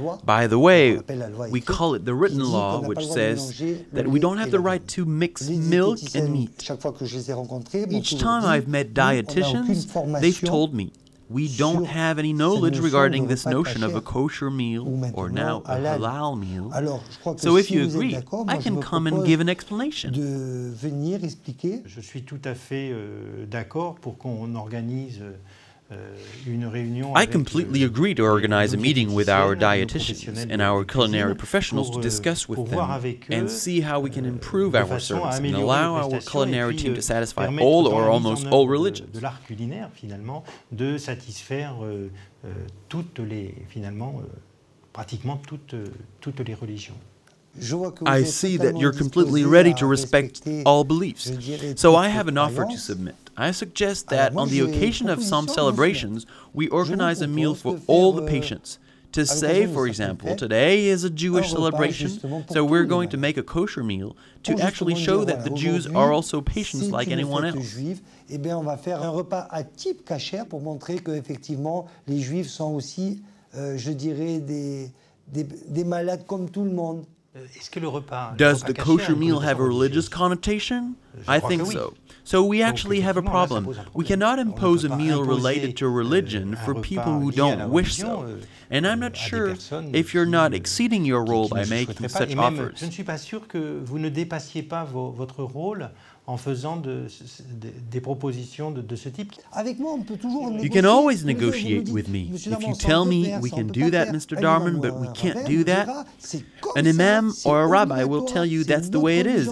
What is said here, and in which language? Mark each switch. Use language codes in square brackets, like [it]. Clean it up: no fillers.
[en] By the way, we call it the written law, which says that we don't have the right to mix milk and meat. Each time I've met dietitians, they've told me, we don't have any knowledge regarding this notion of a kosher meal, or now a halal meal. So if you agree, I can come and give an explanation. [fr] Je suis tout à fait d'accord pour qu'on organise une réunion. [en] I completely agree to organize a meeting with our dietitians and our culinary professionals to discuss with them and see how we can improve our service and allow our culinary team to satisfy all or almost all religions. [fr] De l'art culinaire, finalement, de satisfaire toutes les, finalement, pratiquement toutes les religions. [en] I see that you're completely ready to respect all beliefs. So I have an offer to submit. I suggest that on the occasion of some celebrations, we organize a meal for all the patients. To say, for example, today is a Jewish celebration, so we're going to make a kosher meal to actually show that the Jews are also patients like anyone else. [fr] Eh bien, on va faire un repas à type cachère pour montrer que effectivement les Juifs sont aussi, je dirais, des malades comme tout le monde. [en] Does the kosher meal have a religious connotation? I think so. So we actually have a problem. We cannot impose a meal related to religion for people who don't wish so. And I'm not sure if you're not exceeding your role by making such offers. [fr] Je ne suis pas sûr que vous ne dépassiez pas votre rôle en faisant des propositions de ce type. Avec moi, on peut toujours négocier. [en] You can always negotiate with me. If you tell me, we can do that, Mr. Darmon, but we can't do that, an imam or a rabbi will tell you that's the way it is.